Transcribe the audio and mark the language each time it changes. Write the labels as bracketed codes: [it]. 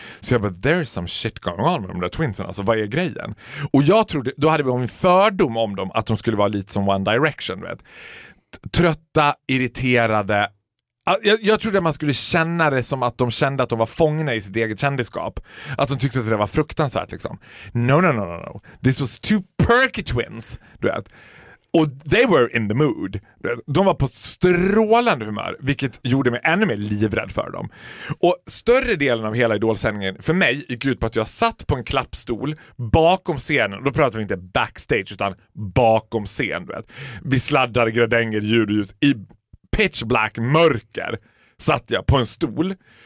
[sv] Så jag bara, [en] there's some shit going on [sv] med de där twinsen, alltså vad är grejen? Och jag trodde, då hade vi en fördom om dem, att de skulle vara lite som One Direction, vet. Trötta, irriterade. Jag trodde att man skulle känna det som att de kände att de var fångna i sitt eget kändiskap. Att de tyckte att det var fruktansvärt, liksom. [en] No. This was two perky twins, [sv] du vet. Och [en] they were in the mood. [sv] De var på strålande humör, vilket gjorde mig ännu mer livrädd för dem. Och större delen av hela Idol-sändningen för mig gick ut på att jag satt på en klappstol bakom scenen. Då pratade vi inte backstage, utan bakom scen. Du vet. Vi sladdade gradänger, ljud och ljus. I pitch black mörker satt jag på en stol.